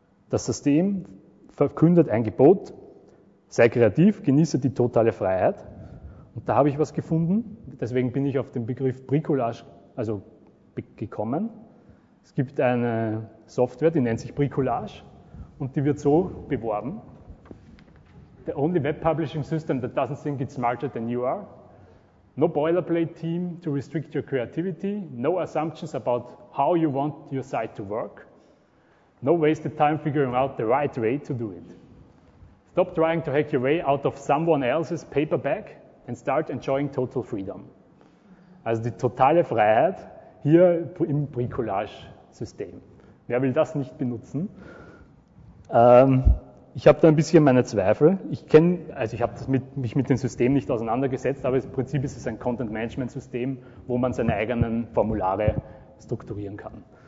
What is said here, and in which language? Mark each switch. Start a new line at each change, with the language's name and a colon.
German: Das System verkündet ein Gebot, sei kreativ, genieße die totale Freiheit. Und da habe ich was gefunden, deswegen bin ich auf den Begriff Bricolage also gekommen. Es gibt eine Software, die nennt sich Bricolage und die wird so beworben.
English: The only web publishing system that doesn't think it's smarter than you are. No boilerplate team to restrict your creativity. No assumptions about how you want your site to work. No wasted time figuring out the right way to do it. Stop trying to hack your way out of someone else's paper bag and start enjoying total freedom.
German: Also die totale Freiheit hier im Bricolage-System. Wer will das nicht benutzen? Ich habe da ein bisschen meine Zweifel. Ich habe mich mit dem System nicht auseinandergesetzt, aber im Prinzip ist es ein Content-Management-System, wo man seine eigenen Formulare strukturieren kann.